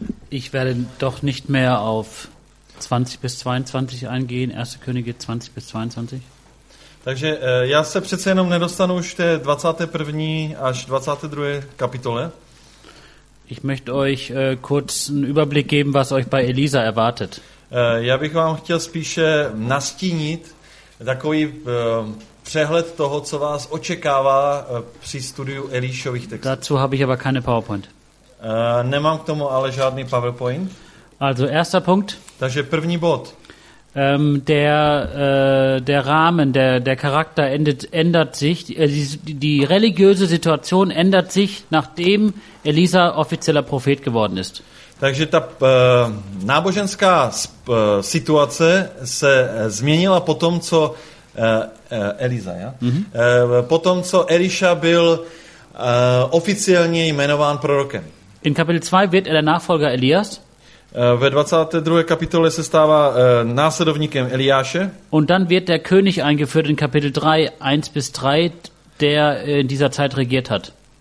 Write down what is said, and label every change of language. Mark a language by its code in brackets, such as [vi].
[de] ich werde doch nicht mehr auf 20 bis 22 eingehen, 1. Könige 20 bis 22. [cs] Takže já se přece jenom nedostanu už té 21. až 22. kapitole. [de] Ich möchte euch kurz einen Überblick geben, was euch bei Elisa erwartet. [cs] Já bych vám chtěl spíše nastínit takový přehled toho, co vás očekává při studiu Elíšových textů. [de] Dazu habe ich aber keine PowerPoint. [cs] Nemám k tomu ale žádný PowerPoint. [de] Also erster Punkt. [cs] Takže první bod. [de] Der Rahmen, der Charakter ändert sich, die religiöse Situation ändert sich, nachdem Elisa offizieller Prophet geworden ist. [cs] Takže ta náboženská situace se změnila potom, co Elisa, ja? Mm-hmm. Potom, co Eliša byl oficiálně jmenován prorokem. [de] In Kapitel 2 wird der Nachfolger Elias. [cs] Ve 22. kapitole se stává následovníkem Eliáše. [de] Und dann wird der König eingeführt in Kapitel 3, 1 bis 3, der in dieser Zeit regiert hat.